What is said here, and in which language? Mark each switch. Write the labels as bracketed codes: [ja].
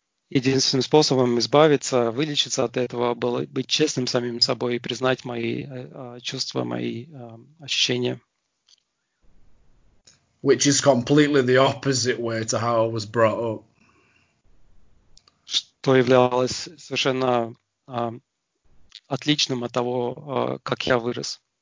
[ru] Единственным способом избавиться, вылечиться от этого было быть честным с самим собой и признать мои чувства, мои ощущения. [en] Which is completely the opposite way to how I was brought up. [ru] Что являлось совершенно отличным от того, как я вырос.